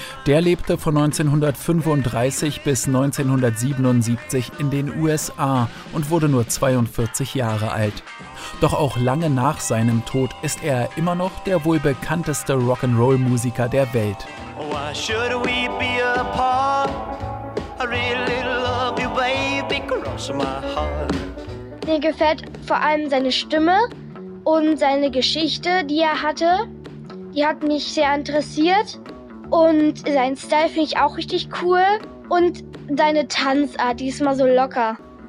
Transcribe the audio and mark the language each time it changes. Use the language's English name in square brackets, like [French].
[German] Der lebte von 1935 bis 1977 in den USA und wurde nur 42 Jahre alt. Doch auch lange nach seinem Tod ist er immer noch der wohl bekannteste Rock'n'Roll-Musiker der Welt. [English] Why should we be apart? I really love you, baby, cross my heart. [German] Mir gefällt vor allem seine Stimme und seine Geschichte, die er hatte. Die hat mich sehr interessiert. Und sein Style finde ich auch richtig cool. Und deine Tanzart, die ist mal so locker.